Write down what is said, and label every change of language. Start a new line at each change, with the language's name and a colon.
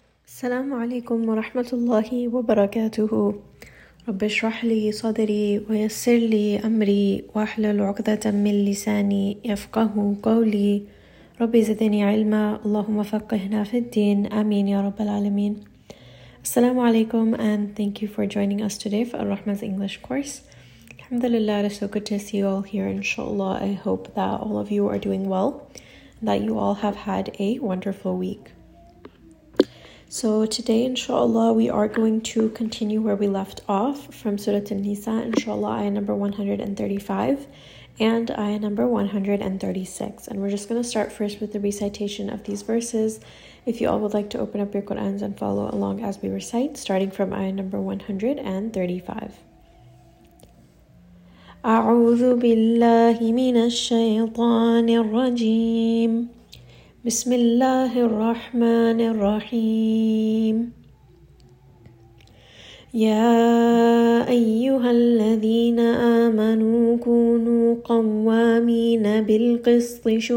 Arabic: السلام عليكم ورحمة الله وبركاته. رب اشرح لي صدري ويسر لي أمري واحلل عقدة من لساني يفقه قولي. رب زدني علما، اللهم فقهنا في الدين، آمين يا رب العالمين. السلام عليكم
English: and thank you for joining us today for Rahma's English course. Alhamdulillah, it is so good to see you all here. Inshallah, I hope that all of you are doing well, that you all have had a wonderful week. So today, inshallah, we are going to continue where we left off from Surah An-Nisa, inshallah, ayah number 135 and ayah number 136. And we're just going to start first with the recitation of these verses. If you all would like to open up your Qur'ans and follow along as we recite, starting from ayah number 135.
Arabic: أعوذ بالله من الشيطان الرجيم. بسم الله الرحمن الرحيم يا أيها الذين آمنوا كونوا قوامين بالقسط